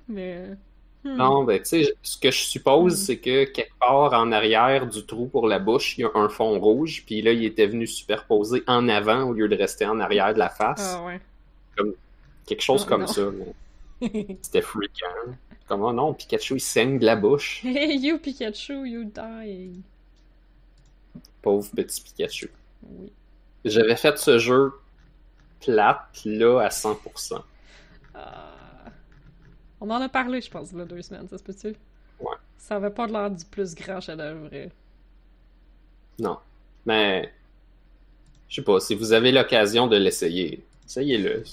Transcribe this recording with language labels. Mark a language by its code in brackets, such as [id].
[fr] Mais... Non, ben tu sais, ce que je suppose, c'est que quelque part en arrière du trou pour la bouche, il y a un fond rouge, puis là, il était venu superposer en avant au lieu de rester en arrière de la face. Ah ouais. Comme quelque chose comme non. Ça. Mais... C'était freakant. Hein. Comment non, Pikachu, il saigne de la bouche. [en] Hey, you Pikachu, you dying. [fr] Pauvre petit Pikachu. Oui. J'avais fait ce jeu plate, là, à 100%. On en a parlé, je pense, là, deux semaines, ça se peut-tu? Ouais. Ça avait pas l'air du plus grand chef-d'œuvre. Non. Mais, je sais pas, si vous avez l'occasion de l'essayer, essayez-le.